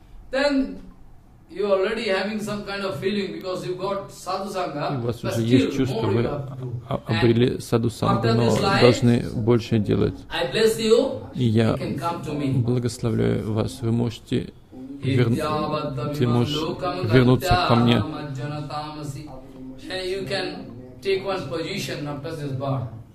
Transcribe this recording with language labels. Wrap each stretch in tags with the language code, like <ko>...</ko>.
<en>Then, you already having some kind of feeling because you got саду санга.</en> <ru>У вас уже есть чувство, вы обрели саду сангу, но должны больше делать.</ru> <en>I bless you,</en> <ru>я благословляю вас, вы можете ты можешь вернуться ко мне.</ru> <en>You can take one position after this bar.</en>